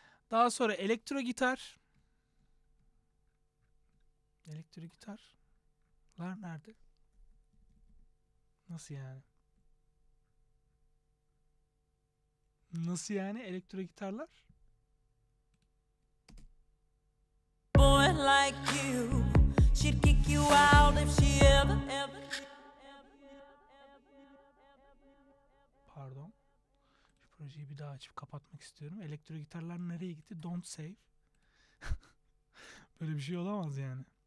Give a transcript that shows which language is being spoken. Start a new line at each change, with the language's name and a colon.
Turkish: Daha sonra elektro gitarlar nerede? Nasıl yani elektro gitarlar?
English: Boy like you, she'd kick you out if she ever.
Turkish: Pardon. Şu projeyi bir daha açıp kapatmak istiyorum. Elektro gitarlar nereye gitti?
English: Don't save.
Turkish: Böyle bir şey olamaz yani.